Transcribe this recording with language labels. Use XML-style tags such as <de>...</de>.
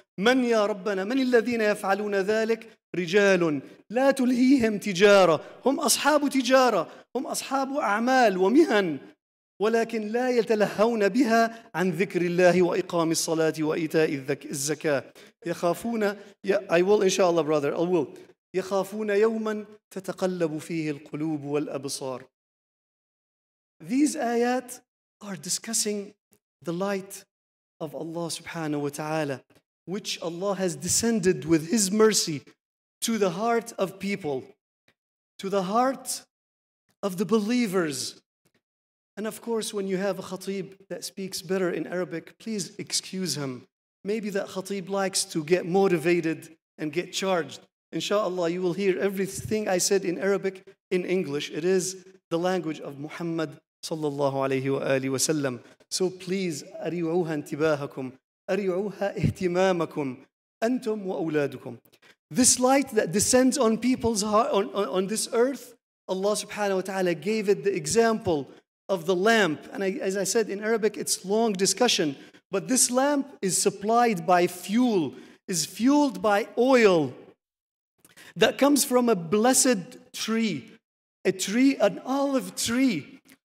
<ar>من يا ربنا، من الذين يفعلون ذلك؟ رجال لا تلهيهم تجارة، هم أصحاب تجارة، هم أصحاب أعمال ومهن، ولكن لا يتلهون بها عن ذكر الله وإقام الصلاة وإيتاء الزكاة. يخافون،</ar> <en>I will</en> <ar>إن شاء الله</ar> <en>brother I will،</en> <ar>يخافون يوماً تتقلب فيه القلوب والأبصار.</ar> <en>These آيات are discussing the light of Allah</en> <ar>سبحانه وتعالى،</ar> <en>which Allah has descended with His mercy to the heart of people, to the heart of the believers. And of course, when you have a khatib that speaks better in Arabic, please excuse him. Maybe that khatib likes to get motivated and get charged. Inshallah, you will hear everything I said in Arabic in English. It is the language of Muhammad sallallahu alayhi wa alihi wa sallam. So please,</en> <ar>أريعوها انتباهكم، أريعوها اهتمامكم، أنتم وأولادكم.</ar> <en>This light that descends on people's heart, on this earth, Allah subhanahu wa ta'ala gave it the example of the lamp. And as I said in Arabic, it's long discussion. But this lamp is supplied by fuel, is fueled by oil that comes from a blessed tree, a tree, an olive tree.</en>